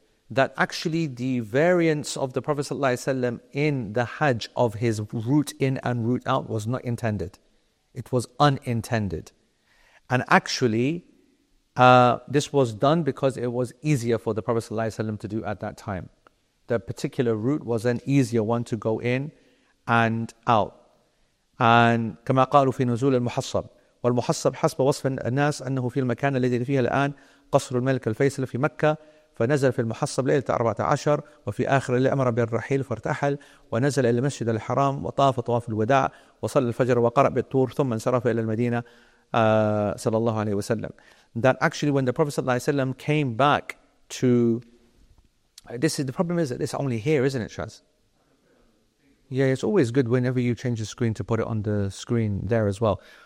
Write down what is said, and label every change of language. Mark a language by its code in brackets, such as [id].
[en] That actually the variance of the Prophet ﷺ in the Hajj of his route in and route out was not intended. It was unintended. And actually, this was done because it was easier for the Prophet ﷺ to do at that time. The particular route was an easier one to go in and out. [ar] And كما قالوا في نزول المحصب والمحصب حسب وصف الناس أنه في المكان الذي فيه الآن قصر الملك الفيصل في مكة فنزل في المحصب ليلة 14 وفي آخر الليل أمر بالرحيل فارتحل ونزل إلى المسجد الحرام وطاف طواف الوداع وصلى الفجر وقرأ بالطور ثم انصرف إلى المدينة [en] sallallahu alaihi wasallam, that actually when the Prophet sallallahu alaihi wasallam came back to, this is the problem, is that it's only here, isn't it, Shaz? Yeah, it's always good whenever you change the screen to put it on the screen there as well.